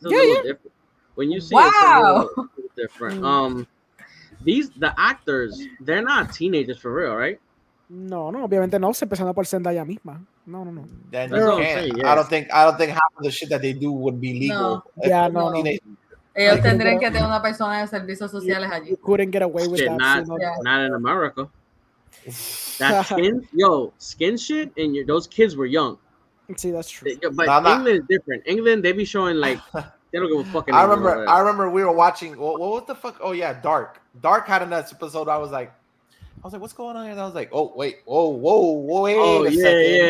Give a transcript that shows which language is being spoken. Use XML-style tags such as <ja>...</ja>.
<en>It's different when you see it, it's a little different. The actors, they're not teenagers for real, right?</en> <es>No, obviamente no, se empezando por Zendaya misma. No.</es> <en>Then you can't. I don't think half of the shit that they do would be legal. No.</en> <es>Ellos tendrían que tener una persona de servicios sociales allí.</es> <en>You couldn't get away with Not in America. That skin, skin shit, and those kids were young. See, that's true. England is different. England, they be showing like, they don't give a fucking. I remember we were watching, what the fuck? Oh, yeah, Dark. Dark had an episode where I was like, what's going on here? And I was like, oh, wait, whoa, wait a second.</en>